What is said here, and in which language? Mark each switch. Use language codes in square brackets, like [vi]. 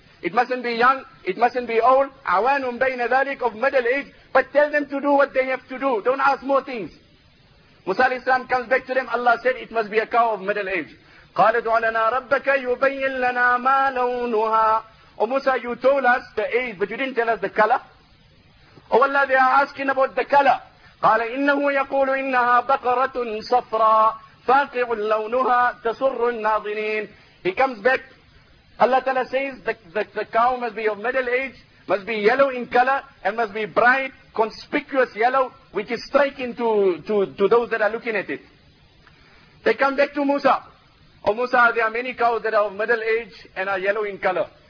[en] It mustn't be young, it mustn't be old, awanum bayna dhalik, of middle age, but tell them to do what they have to do. Don't ask more things. Musa alayhi salam comes back to them, Allah said, it must be a cow of middle age. [ar] قَالَ دُعَ لَنَا رَبَّكَ يُبَيِّن لَنَا مَا لَوْنُهَا. [en] Oh Musa, you told us the age, but you didn't tell us the color. Oh Allah, they are asking about the color. [ar] قال إنه يقول إنها بقرة صفراء فاقع لونها تسر الناظرين. [en] He comes back. Allah Ta'ala says the cow must be of middle age, must be yellow in color, and must be bright, conspicuous yellow, which is striking to those that are looking at it. They come back to Musa. Oh Musa, there are many cows that are of middle age and are yellow in color.